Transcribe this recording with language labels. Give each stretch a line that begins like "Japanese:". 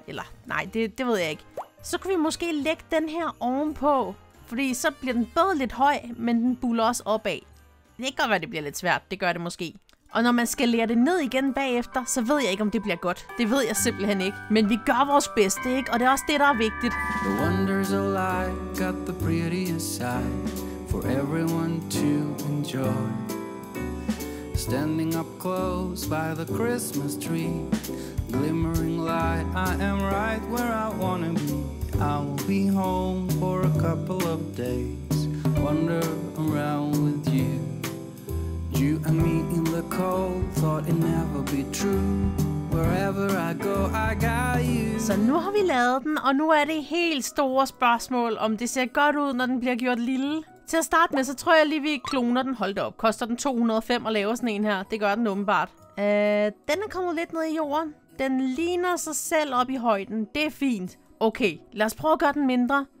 Danish: Eller, nej, det ved jeg ikke. Så kunne vi måske lægge den her ovenpå, fordi så bliver den både lidt høj, men den buller også opad. Det kan godt være, det bliver lidt svært. Det gør det måske. Og når man skal lære det ned igen bagefter, så ved jeg ikke, om det bliver godt. Det ved jeg simpelthen ikke. Men vi gør vores bedste, ikke? Og det er også det, der er vigtigt.
English: The wonders of life got the prettiest side for everyone to enjoy. Standing up close by the Christmas tree, glimmering light, I am right where I wanna be. I will be home for a couple of days, wander around with you. You and me in the cold, thought it never be true. Wherever I go, I got you.
Danish: Så nu har vi lavet den, og nu er det helt store spørgsmål, om det ser godt ud, når den bliver gjort lille. Til at starte med, så tror jeg lige, vi kloner den. Hold da op. Koster den 205 at lave sådan en her? Det gør den åbenbart. Den er kommet lidt ned i jorden. Den ligner sig selv op i højden. Det er fint. Okay, lad os prøve at gøre den mindre.